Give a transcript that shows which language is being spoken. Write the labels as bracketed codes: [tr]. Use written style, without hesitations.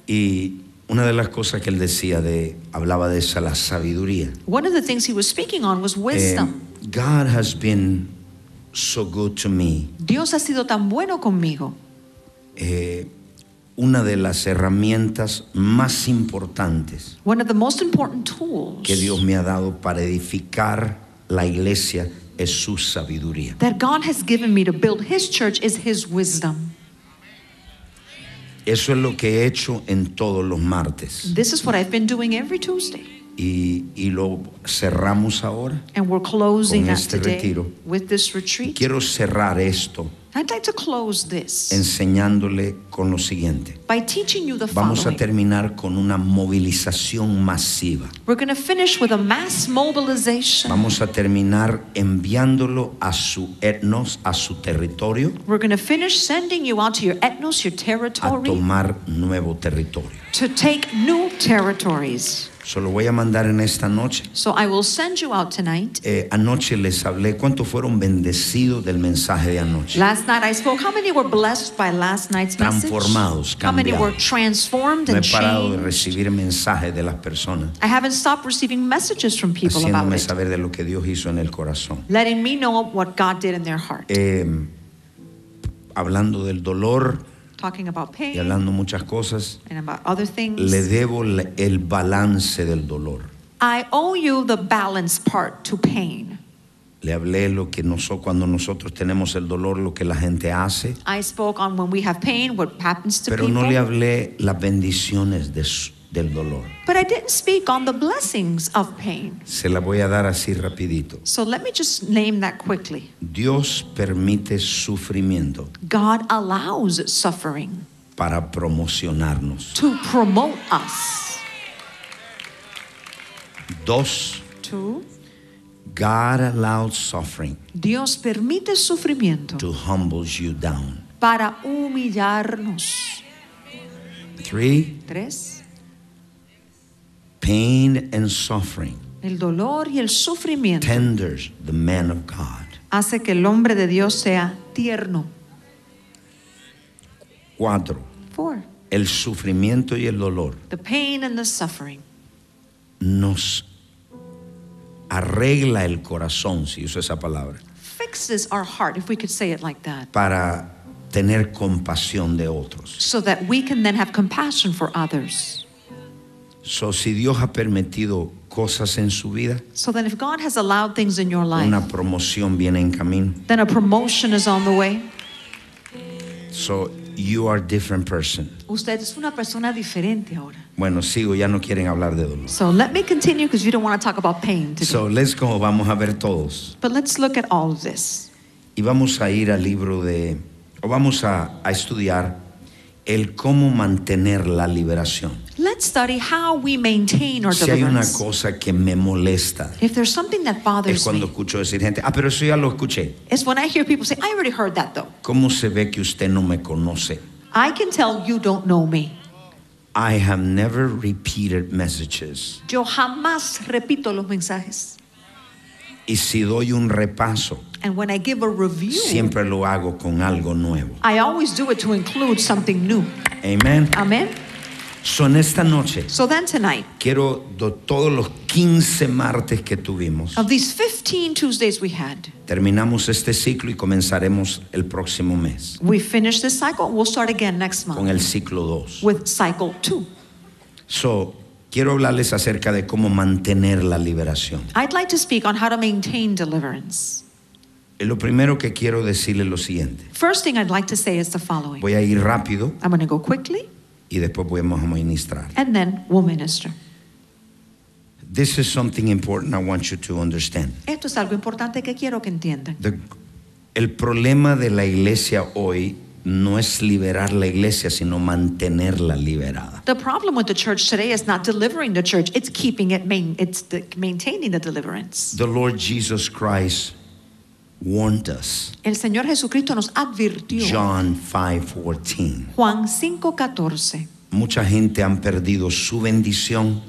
[es] Y una de las cosas que él decía de hablaba de esa la sabiduría. [en] One of the things he was speaking on was wisdom. God has been so good to me. [es] Dios ha sido tan bueno conmigo. Una de las herramientas más importantes. [en] One of the most important tools. [es] Que Dios me ha dado para edificar la iglesia es su sabiduría. [en] That God has given me to build his church is his wisdom. [es] Eso es lo que he hecho en todos los martes. [en] This is what I've been doing every Tuesday. [es] Y lo cerramos ahora [en] and we're closing [es] con este retiro. [en] With this retreat. [es] Quiero cerrar esto [en] I'd like to close this [es] enseñándole con lo siguiente. [en] By teaching you the [es] vamos [en] following. [es] A terminar con una movilización masiva. [en] We're going to finish with a mass mobilization. [es] Vamos a terminar enviándolo a su etnos, a su territorio. [en] We're going to finish sending you out to your etnos, your territory. [es] A tomar nuevo territorio. [en] To take new territories. [es] Se lo voy a mandar en esta noche. [en] So I will send you out tonight. [es] Anoche les hablé cuántos fueron bendecidos del mensaje de anoche. [en] Last night I spoke. How many were blessed by last night's message? [es] Transformados, cambiados. [en] How many were transformed and changed? [es] No he parado de recibir mensajes de las personas. [en] I haven't stopped receiving messages from people about it. [es] Haciéndome saber de lo que Dios hizo en el corazón. [en] Letting me know what God did in their heart. [es] Hablando del dolor. [en] Talking about pain, [es] y hablando muchas cosas, [en] and about other things, [es] le debo el balance del dolor. [en] I owe you the balance part to pain. [es] Le hablé lo que nosotros cuando nosotros tenemos el dolor, lo que la gente hace. [en] I spoke on when we have pain, what happens to [es] pero [en] people. [es] Pero no le hablé las bendiciones de del dolor. [en] But I didn't speak on the blessings of pain. [es] Se la voy a dar así rapidito. [en] So let me just name that quickly. [es] Dios permite sufrimiento. [en] God allows suffering. [es] Para promocionarnos. [en] To promote us. [es] Dos. [en] Two. God allows suffering. [es] Dios permite sufrimiento. [en] To humble you down. [es] Para humillarnos. [en] Three. [es] Tres. [en] Pain and suffering. [es] El dolor y el sufrimiento. [en] Tenders the man of God. [es] Hace que el hombre de Dios sea tierno. Cuatro. [en] Four. [es] El sufrimiento y el dolor. [en] The pain and the suffering. [es] Nos arregla el corazón, si uso esa palabra. [en] Fixes our heart, if we could say it like that. [es] Para tener compasión de otros. [en] So that we can then have compassion for others. [es] So, si Dios ha permitido cosas en su vida, [en] so then if God has allowed things in your life, [es] una promoción viene en camino. [en] Then a promotion is on the way. So, you are a different person. [es] Usted es una persona diferente ahora. Bueno, sigo, ya no quieren hablar de dolor. [en] So let me continue because you don't want to talk about pain today. So let's go, [es] vamos a ver todos. [en] But let's look at all of this. [es] Y vamos a ir al libro de, o vamos a estudiar el cómo mantener la liberación. [en] Let's study how we maintain our deliverance. [es] Si hay una cosa que me molesta, [en] if there's something that bothers [es] es cuando [en] me, [es] escucho decir gente, ah, pero eso ya lo escuché. [en] It's when I hear people say, I already heard that though. [es] ¿Cómo se ve que usted no me conoce? [en] I can tell you don't know me. I have never repeated messages. [es] Yo jamás repito los mensajes. Y si doy un repaso, [en] and when I give a review, [es] siempre lo hago con algo nuevo. [en] I always do it to include something new. Amen. Amen. [es] So en esta noche, [en] so then tonight, [es] quiero todos los 15 martes que tuvimos, [en] of these 15 Tuesdays we had, [es] terminamos este ciclo y comenzaremos el próximo mes. [en] We finish this cycle, we'll start again next month. [es] Con el ciclo 2. [en] With cycle 2. [es] So, quiero hablarles acerca de cómo mantener la liberación. [en] I'd like to speak on how to maintain deliverance. [es] Lo primero que quiero decirle es lo siguiente. [en] First thing I'd like to say is the following. [es] Voy a ir rápido. [en] I'm going to go quickly. [es] Y después podemos ministrar. [en] And then we'll minister. This is something important I want you to understand. [es] Esto es algo importante que quiero que entiendan. El problema de la iglesia hoy no es liberar la iglesia, sino mantenerla liberada. [en] The problem with the church today is not delivering the church, it's keeping it main, it's the, maintaining the deliverance. The Lord Jesus Christ warned us. [es] El Señor Jesucristo nos advirtió. [en] John 5:14. [es] Juan 5:14. Mucha gente han perdido su bendición.